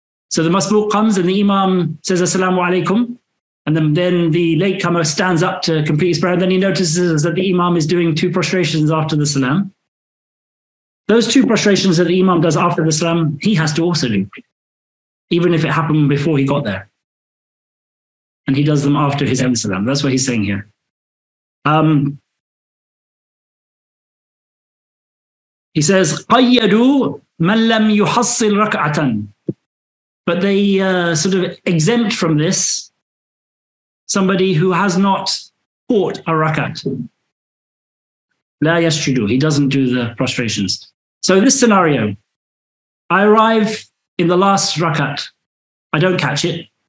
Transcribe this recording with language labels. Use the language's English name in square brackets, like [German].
[English] So the masbuq comes and the imam says assalamu alaikum, and then the latecomer stands up to complete his prayer, and then he notices that the imam is doing two prostrations after the salam. Those two prostrations that the imam does after the salam, he has to also do, even if it happened before he got there. And he does them after his own salam. That's what he's saying here. [Arabic] He says, قَيَّدُوا مَنْ لَمْ يُحَصِّلْ رَكْعَةً. [English] But they sort of exempt from this somebody who has not caught a rak'at. [Arabic] لَا يَسْجُدُ. [English] He doesn't do the prostrations. So this scenario, I arrive in the last rak'at. I don't catch it.